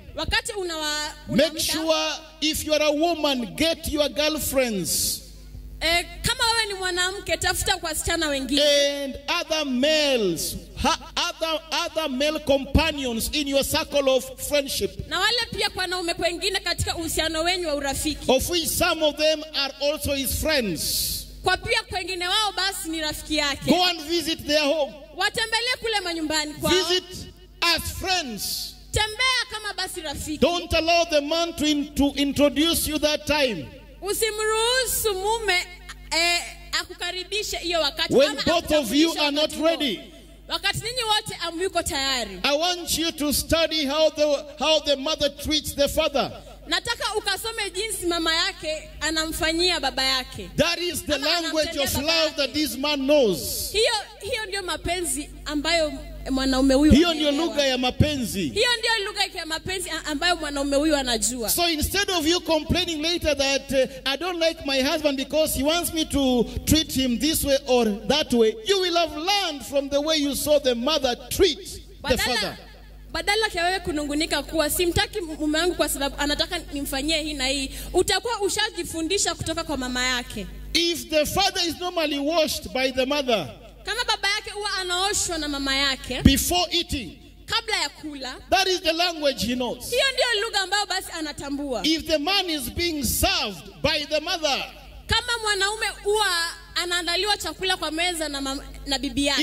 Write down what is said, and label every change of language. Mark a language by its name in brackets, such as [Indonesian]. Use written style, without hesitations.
[Swahili] Wakati una [English] make sure if you are a woman, get your girlfriends. [Swahili] Kama wewe ni mwanamke tafuta kwa wasichana wengine. [English] And other males, other male companions in your circle of friendship. [Swahili] Na wale pia kwa wanaume wengine katika uhusiano wenu wa urafiki. [English] Of which some of them are also his friends. [Swahili] Kwa pia wengine wao basi ni rafiki yake. [English] Go and visit their home. [Swahili] Watembelee kule manyumbani kwao. [English] Visit as friends. [Swahili] Tembea kama basi rafiki. [English] Don't allow the man to introduce you that time. [Swahili] Usimruhusu mume akukaribishe hiyo wakati. [English] When both of you are not ready. [Swahili] Wakati ninyi wote amyuko tayari. [English] I want you to study how the mother treats the father. [Swahili] Nataka ukasome jinsi mama yake anamfanyia baba yake. [English] That is the language of love that this man knows. [Swahili] Hiyo ndio mapenzi ambayo mwanaume huyu. Hiyo ndio lugha ya mapenzi. Hiyo ndio lugha ya mapenzi ambayo mwanaume huyu anajua. [English] So instead of you complaining later that I don't like my husband because he wants me to treat him this way or that way, you will have learned from the way you saw the mother treat the father. [Swahili] Badala ya wewe kunungunika kuwa simtaki mume wangu kwa sababu anataka nimfanyie hii na hii, utakuwa ushajifundisha kutoka kwa mama yake. [English] If the father is normally washed by the mother. [Swahili] Kama baba yake huwa anaoshwa na mama yake. [English] Before eating. [Swahili] Kabla ya kula. [English] That is the language he knows. [Swahili] Hiyo ndio lugha ambayo basi anatambua. [English] If the man is being served by the mother. [Swahili] Kama mwanaume huwa anaandaliwa chakula kwa meza na bibi yake.